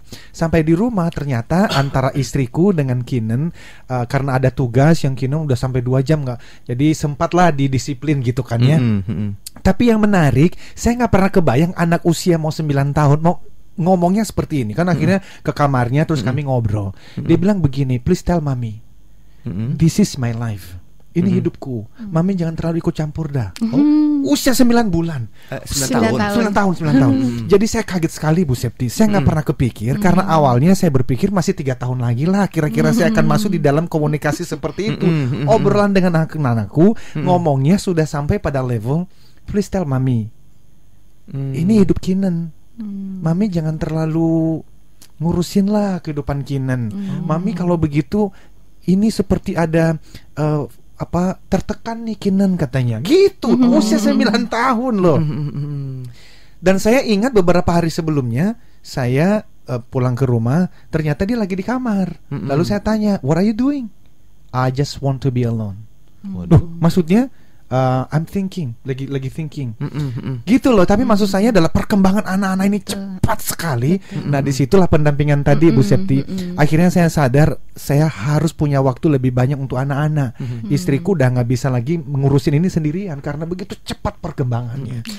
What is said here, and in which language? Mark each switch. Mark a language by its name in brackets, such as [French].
[Indonesian] Sampai di rumah, ternyata antara istriku dengan Kinan, karena ada tugas yang Kinan udah sampai 2 jam gak, jadi sempatlah didisiplin gitu kan ya. Tapi yang menarik, saya gak pernah kebayang anak usia mau 9 tahun mau ngomongnya seperti ini. Kan akhirnya ke kamarnya, terus kami ngobrol. Dia bilang begini, [English] please tell mommy, this is my life. [Indonesian] Ini hidupku. Mami jangan terlalu ikut campur dah. Usia 9 bulan. 9 tahun. Jadi saya kaget sekali, Bu Septi. Saya gak pernah kepikir, karena awalnya saya berpikir masih 3 tahun lagi lah kira-kira saya akan masuk di dalam komunikasi seperti itu. Obrolan dengan anak-anakku, ngomongnya sudah sampai pada level, [English] please tell mami, [Indonesian] ini hidup Kinan. Mami jangan terlalu ngurusin lah kehidupan Kinan. Mami kalau begitu, ini seperti ada tertekan nih Kinan, katanya. Gitu, usia 9 tahun loh. Dan saya ingat beberapa hari sebelumnya saya pulang ke rumah, ternyata dia lagi di kamar. Lalu saya tanya, [English] what are you doing? I just want to be alone. [Indonesian] Maksudnya [English] I'm thinking, [Indonesian] lagi [English] thinking. [Indonesian] Gitu loh, tapi maksud saya adalah perkembangan anak-anak ini cepat sekali. Nah, disitulah pendampingan tadi, Bu Septi. Akhirnya saya sadar, saya harus punya waktu lebih banyak untuk anak-anak. Istriku udah gak bisa lagi mengurusin ini sendirian, karena begitu cepat perkembangannya.